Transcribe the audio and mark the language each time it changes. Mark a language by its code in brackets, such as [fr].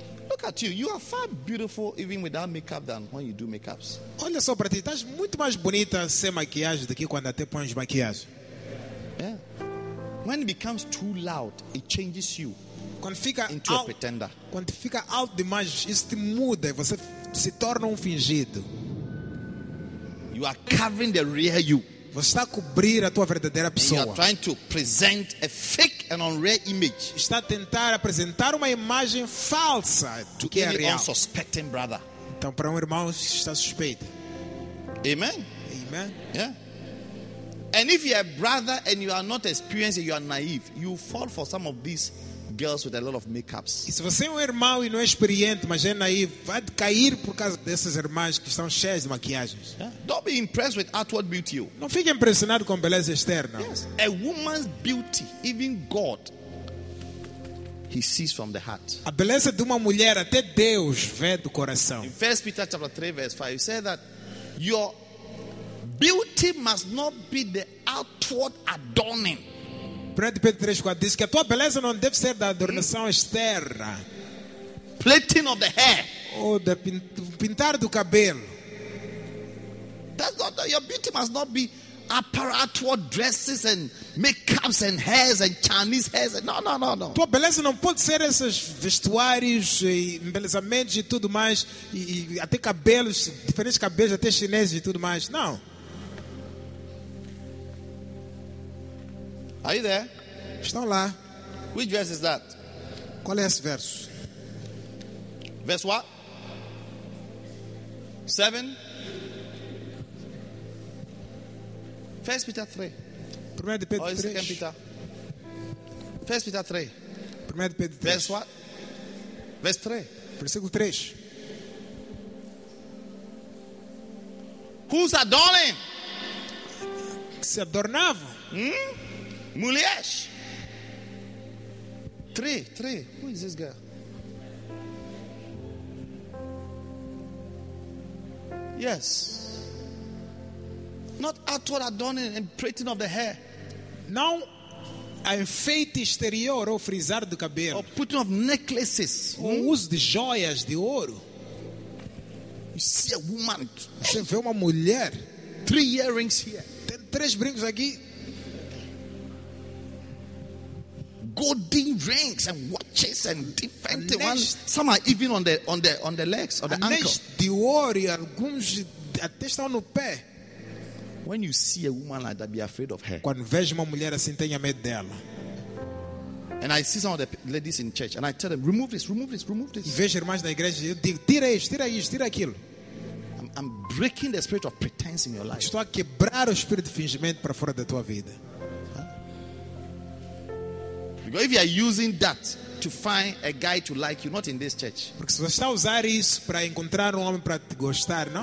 [en] Look at you. You are far beautiful even without makeup than when you do makeups. [pt] Olha só para ti. Estás muito mais bonita sem maquiagem do que quando até pões maquiagem. [en] Yeah. When it becomes too loud, it changes you. [pt] Quando fica [en] into [pt] alto, [en] a pretender. [pt] Quando fica alto demais, isso te muda. Você se torna fingido. [en] You are covering the real you. [pt] Você está a cobrir a tua verdadeira pessoa. [en] You are trying to present a fake and unreal image. [pt] Está a tentar apresentar uma imagem falsa [en] to [pt] que é real. [en] Unsuspecting brother. [pt] Então para irmão está suspeito. [en] Amen. Amen. Yeah. And if you are a brother and you are not experienced, you are naive. You fall for some of these girls with a lot of makeups. [pt] E se você é um irmão e não é experiente, mas é naivo, vai cair por causa dessas irmãs que estão cheias de maquiagens. [en] Yeah. Don't be impressed with outward beauty. [pt] Não fique impressionado com beleza externa. [en] Yes. A woman's beauty, even God, He sees from the heart. [pt] A beleza de uma mulher até Deus vê do coração. [en] In 1 Peter chapter 3 verse 5, it says that your beauty must not be the outward adorning. [pt] 1 Peter 3, 4, diz que a tua beleza não deve ser da adornação externa. [en] Plating of the hair. [pt] Ou da pintar do cabelo. [en] That's not, your beauty must not be apparatual dresses and makeups and hairs and Chinese hairs. No. [pt] Tua beleza não pode ser esses vestuários e embelezamentos e tudo mais. E até cabelos, diferentes cabelos, até chineses e tudo mais. Não. [en] Are you there? [pt] Estão lá. [en] Which verse is that? [pt] Qual é esse verso? [en] Verse what? 7? 1 Peter 3. 1 Peter 3. 2 Peter. 1 Peter 3. 1 Peter 3. Verse what? Verse 3. [pt] Versículo 3. [en] Who's adorning? [pt] Se adornava. Mulheres. [en] 3. Who is this girl? Yes. Not outward adorning and plaiting of the hair. [pt] Não a enfeite exterior ou frisar do cabelo. [en] Or putting of necklaces. [pt] Ou uso de joias de ouro. [en] You see a woman. [pt] Você vê uma mulher. [en] 3 earrings here. [pt] Tem 3 brincos aqui. [en] Golden rings and watches and different ones. Some are even on the legs or the ankle. [pt] Anéis de ouro e alguns até estão no pé. [en] When you see a woman like that, be afraid of her. [pt] Quando vejo uma mulher assim, tenha medo dela. [en] And I see some of the ladies in church, and I tell them, remove this. [pt] Vejo irmãs da igreja, eu digo, tira isso, tira aquilo. [en] I'm breaking the spirit of pretense in your life. [pt] Estou a quebrar o espírito de fingimento para fora da tua vida. [en] Because if you are using that to find a guy to like you, not in this church. [pt] Porque se você está a usar isso para encontrar homem para te gostar, não